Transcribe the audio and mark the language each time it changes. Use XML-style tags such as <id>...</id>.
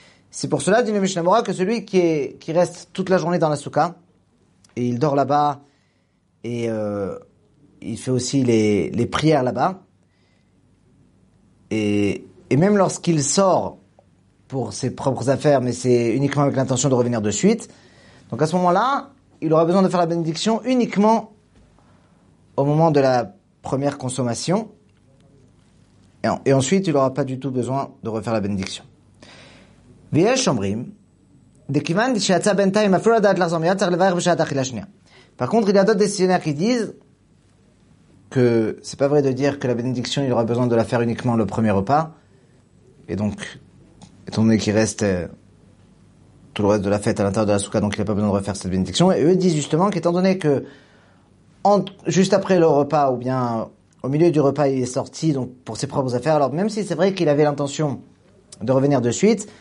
<fr>C'est pour cela, dit le Mishnah Berurah, que celui qui reste toute la journée dans la souka, et il dort là-bas, et il fait aussi les prières là-bas, et même lorsqu'il sort pour ses propres affaires, mais c'est uniquement avec l'intention de revenir de suite, donc à ce moment-là, il aura besoin de faire la bénédiction uniquement au moment de la première consommation, et ensuite, il n'aura pas du tout besoin de refaire la bénédiction.</fr> <he>ויש אומרים, דכיוון שיצא בינתיים אפילו לדעת לחזור מיד, צריך לברך בשעת אכילה שנייה.</he> <fr>Par contre, il y a d'autres décisionnaires qui disent que c'est pas vrai de dire que la bénédiction, il aura besoin de la faire uniquement le premier repas. Et donc, étant donné qu'il reste tout le reste de la fête à l'intérieur de la souka, donc il n'a pas besoin de refaire cette bénédiction. Et eux disent justement qu'étant donné que juste après le repas, ou bien au milieu du repas, il est sorti donc pour ses propres affaires, alors même si c'est vrai qu'il avait l'intention de revenir de suite.</fr>